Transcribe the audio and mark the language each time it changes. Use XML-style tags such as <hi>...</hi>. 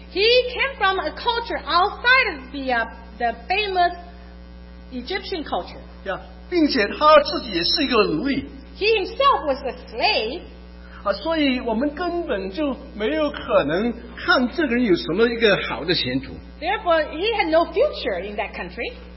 <en>He came from a culture outside of the famous Egyptian culture.</en> <zh>Yeah, 并且他自己也是一个奴隶。</zh> <en>He himself was a slave.</en> <zh>所以我们根本就没有可能看这个人有什么一个好的前途。</zh> <en>Therefore, he had no future in that country.</en>